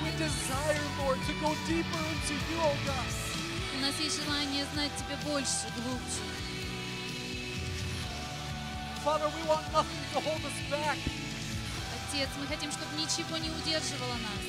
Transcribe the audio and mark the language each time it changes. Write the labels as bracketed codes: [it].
[en] We desire, Lord, to go deeper into You, O God. [ru] У нас есть желание знать Тебя больше, глубже. [en] Father, we want nothing to hold us back. [ru] Отец, мы хотим, чтобы ничего не удерживало нас.